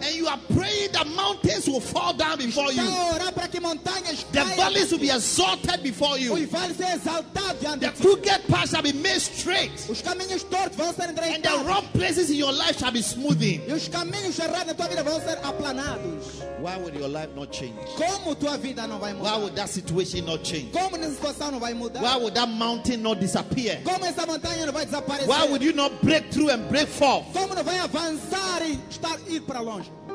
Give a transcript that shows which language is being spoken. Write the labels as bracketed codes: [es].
[en] And you are praying that mountains will fall down before you. [pt] Está a orar para que montanhas caiam. [en] The valleys will be exalted before you. [pt] Os vales serão exaltados diante de ti. [en] The crooked paths shall be made straight. [pt] Os caminhos tortos vão ser endireitados. [en] And the rough places in your life shall be smoothed. [pt] E os caminhos errados na tua vida vão ser aplanados. [en] Why would your life not change? [pt] Como tua vida não vai mudar? [en] Why would that situation not change? [pt] Como nessa situação não vai mudar? [en] Why would that mountain not disappear? [pt] Como essa montanha não vai desaparecer? [en] Why would you not break through and break forth? [pt] Como não vai avançar e estar ir para longe?